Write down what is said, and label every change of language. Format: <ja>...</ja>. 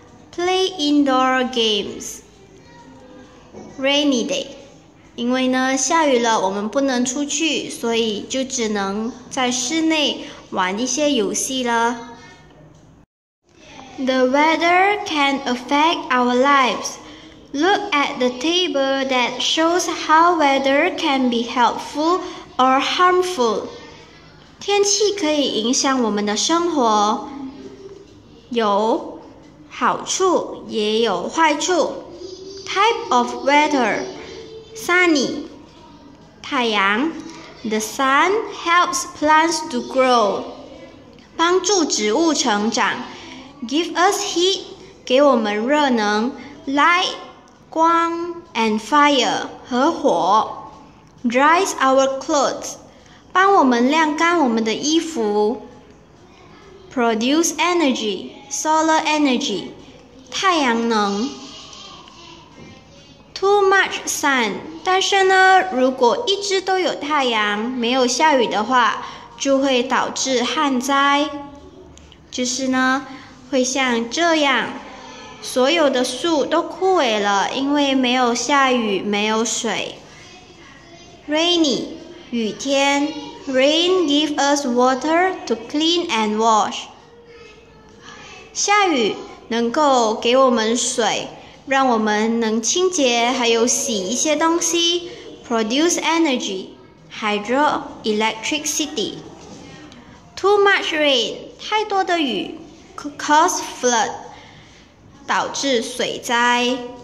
<en>Play indoor games, rainy day.</en> <zh>因为呢下雨了，我们不能出去，所以就只能在室内玩一些游戏了。</zh> <en>The weather can affect our lives. Look at the table that shows how weather can be helpful or harmful.</en> <zh>天气可以影响我们的生活，有好处也有坏处。</zh> <en>Type of weather, sunny, 太阳。 The sun helps plants to grow,</en> <zh>帮助植物成长。</zh> <en>Give us heat,</en> <zh>给我们热能。</zh> <en>Light, 光。 And fire,</en> <zh>和火。</zh> <en>Dries our clothes,</en> <zh>帮我们晾干我们的衣服。</zh> <en>Produce energy, solar energy, 太阳能。 Too much sun,</en> <zh>但是呢如果一直都有太阳没有下雨的话，就会导致旱灾，就是呢会像这样，所有的树都枯萎了，因为没有下雨没有水。 Rainy, 雨天。</zh> <en>Rain gives us water to clean and wash.</en> <zh>下雨能够给我们水，让我们能清洁还有洗一些东西。</zh> <en>Produce energy, hydroelectricity. Too much rain,</en> <zh>太多的雨，</zh> <en>cause flood,</en> <zh>导致水灾。</zh>